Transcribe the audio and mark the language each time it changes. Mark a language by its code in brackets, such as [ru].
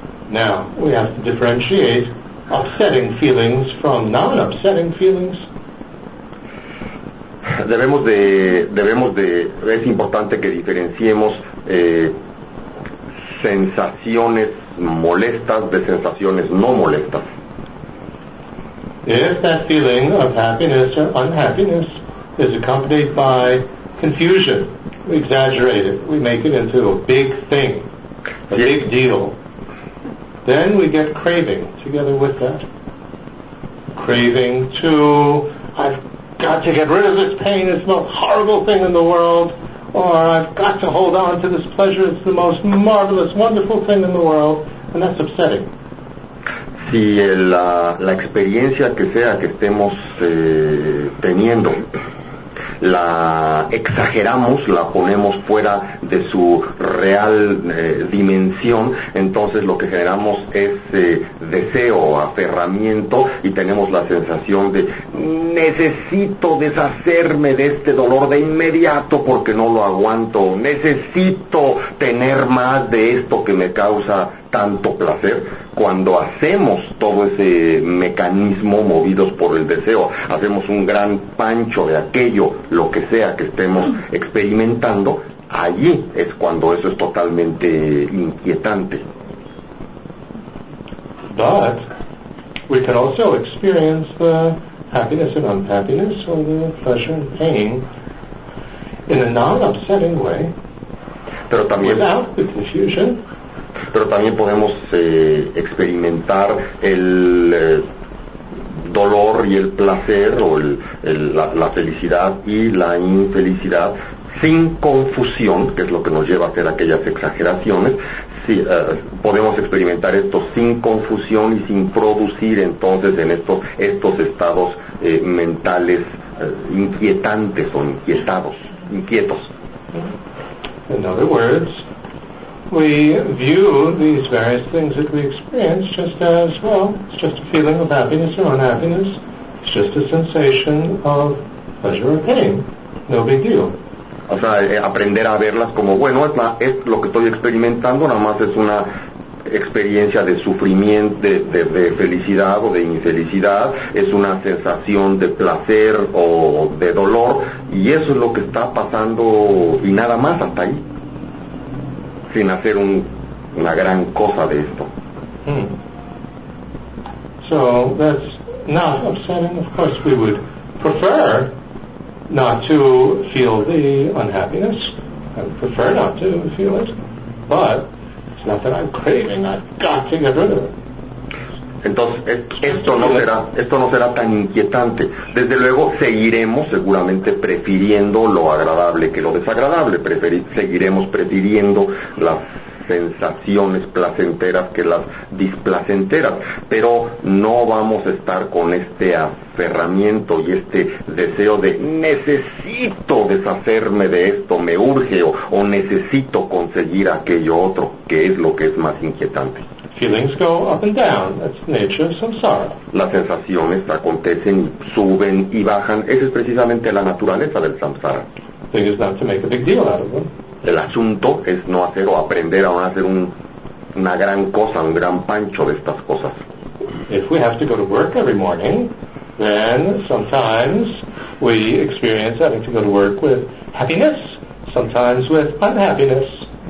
[en] Now, we have to differentiate upsetting feelings from non-upsetting feelings. [es] Es importante que diferenciemos sensaciones molestas de sensaciones no molestas. [en] If that feeling of happiness or unhappiness is accompanied by confusion, we exaggerate it, we make it into a big thing, a big deal, then we get craving together with that. Craving to, I've got to get rid of this pain, it's the most horrible thing in the world, or I've got to hold on to this pleasure, it's the most marvelous, wonderful thing in the world, and that's upsetting. [es] Si la experiencia que sea que estemos teniendo, la exageramos, la ponemos fuera de su real dimensión, entonces lo que generamos es deseo, aferramiento, y tenemos la sensación de necesito deshacerme de este dolor de inmediato porque no lo aguanto, necesito tener más de esto que me causa tanto placer. Cuando hacemos todo ese mecanismo movidos por el deseo, hacemos un gran pancho de aquello, lo que sea que estemos experimentando, allí es cuando eso es totalmente inquietante. [en] But we can also experience the happiness and unhappiness, or the pleasure and pain, in a non-upsetting way, [es] pero también, [en] without the confusion. [es] pero también podemos experimentar el dolor y el placer, o la felicidad y la infelicidad, sin confusión, que es lo que nos lleva a hacer aquellas exageraciones. Sí, podemos experimentar esto sin confusión y sin producir entonces en estos estados mentales inquietantes o inquietos. [en] In other words, we view these various things that we experience just as, well, it's just a feeling of happiness or unhappiness. It's just a sensation of pleasure or pain. No big deal. [es] O sea, aprender a verlas como, bueno, es lo que estoy experimentando, nada más es una experiencia de sufrimiento, de felicidad o de infelicidad, es una sensación de placer o de dolor, y eso es lo que está pasando, y nada más hasta ahí, sin hacer una gran cosa de esto. [en] So, that's not upsetting. Of course we would prefer not to feel the unhappiness. I would prefer not to feel it. But it's not that I'm craving. I've got to get rid of it. [es] Entonces, esto no será tan inquietante. Desde luego, seguiremos seguramente prefiriendo lo agradable que lo desagradable. Seguiremos prefiriendo las sensaciones placenteras que las displacenteras. Pero no vamos a estar con este aferramiento y este deseo de necesito deshacerme de esto, me urge, o necesito conseguir aquello otro, que es lo que es más inquietante. [en] Feelings go up and down. That's the nature of samsara. [es] Las sensaciones acontecen, suben y bajan. Esa es precisamente la naturaleza del samsara. [en] Thing is not to make a big deal out of them. [es] El asunto es no hacer o aprender a no hacer una gran cosa, un gran pancho de estas cosas. [en] If we have to go to work every morning, then sometimes we experience having to go to work with happiness, sometimes with unhappiness.